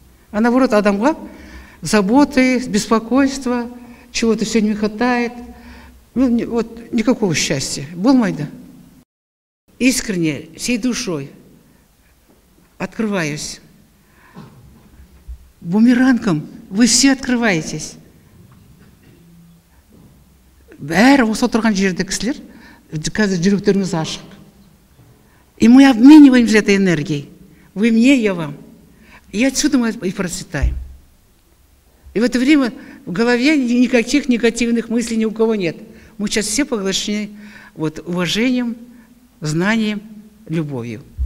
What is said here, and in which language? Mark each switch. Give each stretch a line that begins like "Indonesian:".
Russian: А наоборот,
Kazakh: адамга
Russian: заботы, беспокойство, чего-то все не хватает. Ну, вот никакого счастья.
Kazakh: Болмайда.
Russian: Искренне, всей душой открываюсь. Бумерангом вы все открываетесь.
Kazakh: Бәрі осы отырған жерде кісілер, қазір жүректеріңіз ашық.
Russian: И мы обмениваемся этой энергией. Вы мне, я вам. И отсюда мы и процветаем. И в это время в голове никаких негативных мыслей ни у кого нет. Мы сейчас все поглощены вот, уважением, знанием, любовью.